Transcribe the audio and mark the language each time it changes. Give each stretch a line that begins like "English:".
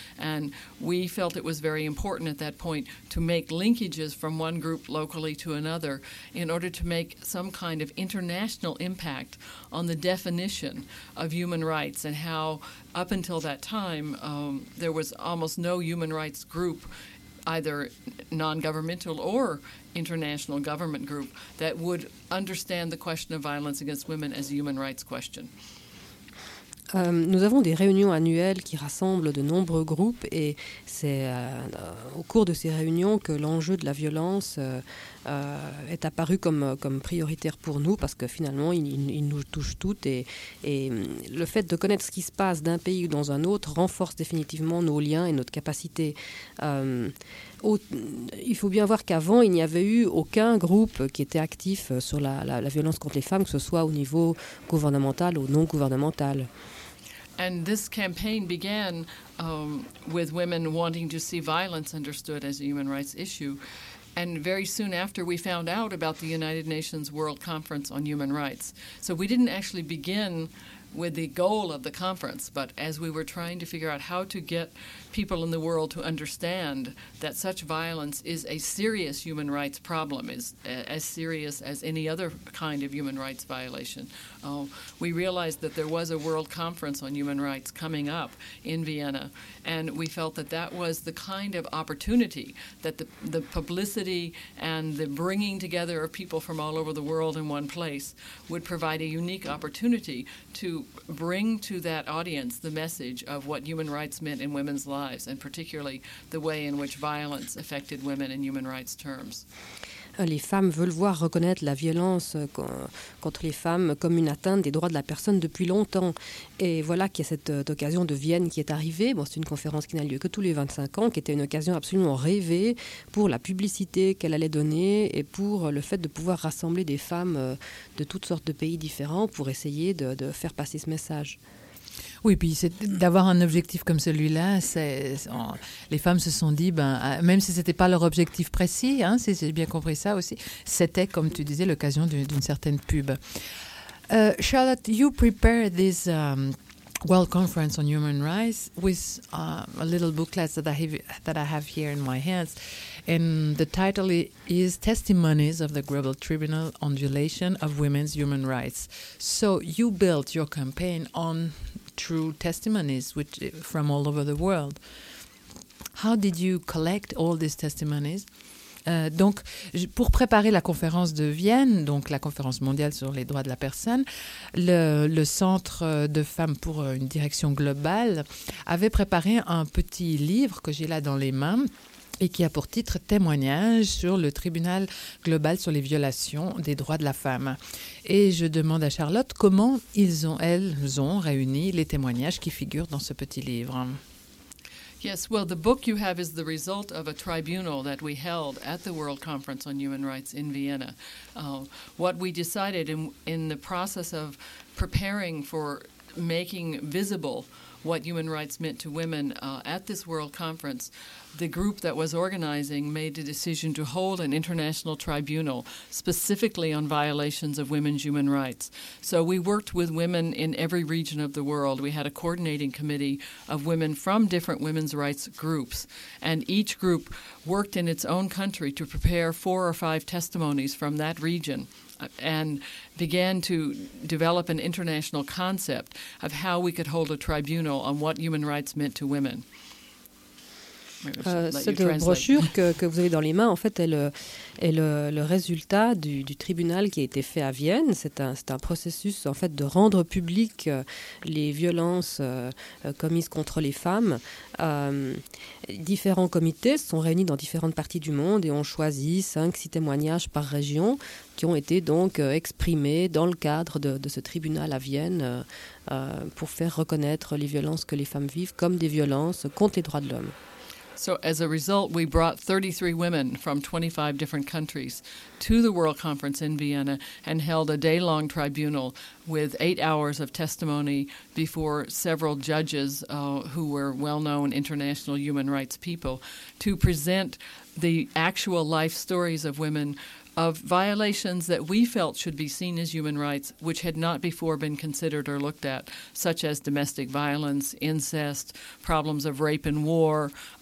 English: And we felt it was very important at that point to make linkages from one group locally to another in order to make some kind of international impact on the definition of human rights and how, up until that time, there was almost no human rights group, either non-governmental or international government group, that would understand the question of violence against women as a human rights question.
French: Nous avons des réunions annuelles qui rassemblent de nombreux groupes et c'est au cours de ces réunions que l'enjeu de la violence est apparu comme prioritaire pour nous parce que finalement il nous touche toutes et le fait de connaître ce qui se passe d'un pays ou dans un autre renforce définitivement nos liens et notre capacité. Il faut bien voir qu'avant il n'y avait eu aucun groupe qui était actif sur la violence contre les femmes, que ce soit au niveau gouvernemental ou non gouvernemental.
English: And this campaign began with women wanting to see violence understood as a human rights issue. And very soon after, we found out about the United Nations World Conference on Human Rights. So we didn't actually begin with the goal of the conference, but as we were trying to figure out how to get people in the world to understand that such violence is a serious human rights problem, is as serious as any other kind of human rights violation, we realized that there was a world conference on human rights coming up in Vienna, and we felt that that was the kind of opportunity that the publicity and the bringing together of people from all over the world in one place would provide a unique opportunity to bring to that audience the message of what human rights meant in women's lives, and particularly the way in which violence affected women in human rights terms.
French: Les femmes veulent voir reconnaître la violence contre les femmes comme une atteinte des droits de la personne depuis longtemps. Et voilà qu'il y a cette occasion de Vienne qui est arrivée. Bon, c'est une conférence qui n'a lieu que tous les 25 ans, qui était une occasion absolument rêvée pour la publicité qu'elle allait donner et pour le fait de pouvoir rassembler des femmes de toutes sortes de pays différents pour essayer de faire passer ce message. Oui, puis c'est, d'avoir un objectif comme celui-là, les femmes se sont dit, même si ce n'était pas leur objectif précis, hein, si j'ai bien compris ça aussi, c'était, comme tu disais, l'occasion d'une certaine pub.
English: Charlotte, you prepared this World Conference on Human Rights with a little booklet that I have here in my hands. And the title is Testimonies of the Global Tribunal on Violation of Women's Human Rights. So you built your campaign on true testimonies which from all over the world. How did you collect all these testimonies?
French: Donc, pour préparer la conférence de Vienne, donc la conférence mondiale sur les droits de la personne, le Centre de femmes pour une direction globale avait préparé un petit livre que j'ai là dans les mains et qui a pour titre « Témoignage sur le tribunal global sur les violations des droits de la femme ». Et je demande à Charlotte comment elles ont réuni les témoignages qui figurent dans ce petit livre.
English: Yes, well, the book you have is the result of a tribunal that we held at the World Conference on Human Rights in Vienna. What we decided in the process of preparing for making visible what human rights meant to women at this World Conference, the group that was organizing made a decision to hold an international tribunal specifically on violations of women's human rights. So we worked with women in every region of the world. We had a coordinating committee of women from different women's rights groups, and each group worked in its own country to prepare 4 or 5 testimonies from that region and began to develop an international concept of how we could hold a tribunal on what human rights meant to women.
French: Cette brochure que vous avez dans les mains, en fait, elle est le résultat du tribunal qui a été fait à Vienne. C'est un processus, en fait, de rendre public les violences commises contre les femmes. Différents comités sont réunis dans différentes parties du monde et ont choisi 5-6 témoignages par région qui ont été donc exprimés dans le cadre de ce tribunal à Vienne pour faire reconnaître les violences que les femmes vivent comme des violences contre les droits de l'homme.
English: So as a result, we brought 33 women from 25 different countries to the World Conference in Vienna and held a day-long tribunal with 8 hours of testimony before several judges who were well-known international human rights people to present the actual life stories of women of violations that we felt should be seen as human rights, which had not before been considered or looked at, such as domestic violence, incest, problems of rape and war,